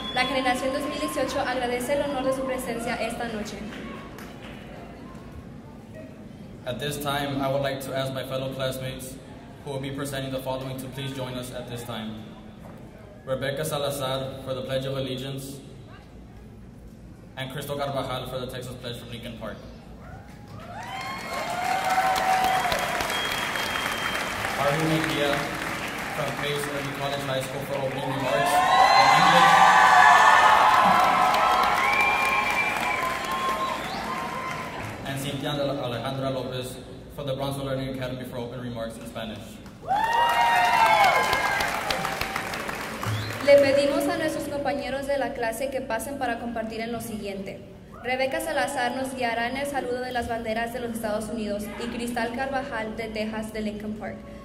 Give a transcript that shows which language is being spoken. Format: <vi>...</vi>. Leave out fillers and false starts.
<es>La generación 2018 agradece el honor de su presencia esta noche.</es> <en>At this time, I would like to ask my fellow classmates who will be presenting the following to please join us at this time. Rebecca Salazar for the Pledge of Allegiance and Crystal Carvajal for the Texas Pledge from Lincoln Park. Arvin Mejia from Pace Early College High School for opening remarks in English. And Cynthia Alejandra Lopez from the Bronzeville Learning Academy for opening remarks in Spanish.</en> <es>Le pedimos a nuestros compañeros de la clase que pasen para compartir en lo siguiente. Rebeca Salazar nos guiará en el saludo de las banderas de los Estados Unidos y Cristal Carvajal de Texas de Lincoln Park.</es>